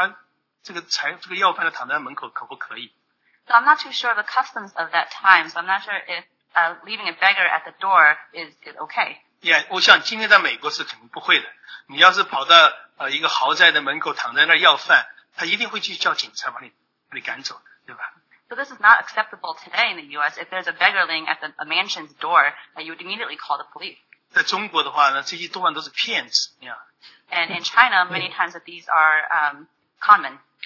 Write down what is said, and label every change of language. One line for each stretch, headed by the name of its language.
Chinese: 我想不知道当时那个社会的风俗啊，但我想要是今，是不是他这个财这个要饭的躺在门口可不可以？
English: So I'm not too sure of the customs of that time. So I'm not sure if leaving a beggar at the door is okay. Yeah,
Chinese: 我想今天在美国是肯定不会的。你要是跑到一个豪宅的门口躺在那儿要饭。他一定会去叫警察把你赶走的，对吧？
English: So this is not acceptable today in the U.S. If there's a beggar laying at a mansion's door, you would immediately call the police.
Chinese: 在中国的话呢，这些多半都是骗子，你看。
English: And in China, many times that these are common.